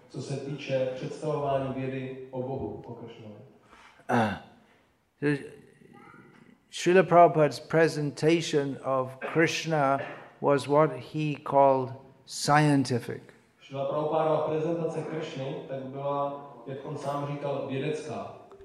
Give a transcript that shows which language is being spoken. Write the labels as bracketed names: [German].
[Czech] Co se týče představování vědy o Bohu, o Krishnovi. [English] Srila Prabhupada's presentation of Krishna was what he called scientific. [Czech] Srila Prabhupada prezentace Krishny tak byla, jak on sám říkal, vědecká.